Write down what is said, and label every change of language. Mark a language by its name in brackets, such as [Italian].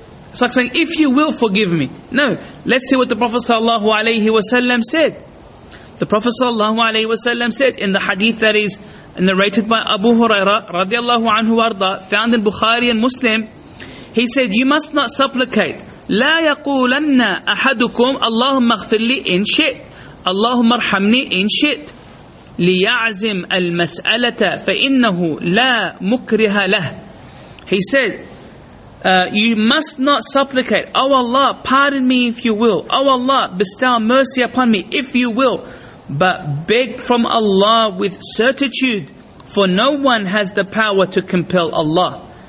[English] It's like saying, if you will, forgive me. No, let's see what the Prophet sallallahu alayhi wa sallam said. The Prophet sallallahu alayhi wa sallam said in the hadith that is narrated by Abu Hurairah radiallahu anhu arda, found in Bukhari and Muslim, he said, you must not supplicate. [Arabic] لا يقولن أحدكم اللهم اغفر لي إن شئت اللهم ارحمني إن شئت ليعزم المسألة فإنه لا مكره له. [English] He said, you must not supplicate. Oh Allah, pardon me if you will. Oh Allah, bestow mercy upon me if you will. But beg from Allah with certitude, for no one has the power to compel Allah.